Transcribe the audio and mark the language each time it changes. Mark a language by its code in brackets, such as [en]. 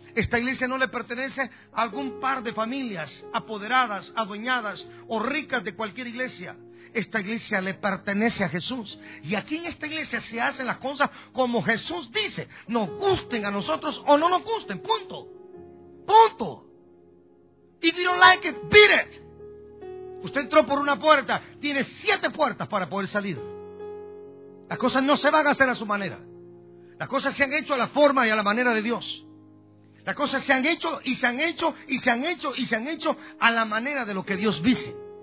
[es] Esta iglesia no le pertenece a algún par de familias apoderadas, adueñadas o ricas de cualquier iglesia. Esta iglesia le pertenece a Jesús. Y aquí en esta iglesia se hacen las cosas como Jesús dice. Nos gusten a nosotros o no nos gusten. Punto. Punto. [en] If you don't like it, beat it. [es] Usted entró por una puerta. Tiene 7 puertas para poder salir. Las cosas no se van a hacer a su manera. Las cosas se han hecho a la forma y a la manera de Dios. Las cosas se han hecho y se han hecho y se han hecho y se han hecho a la manera de lo que Dios dice.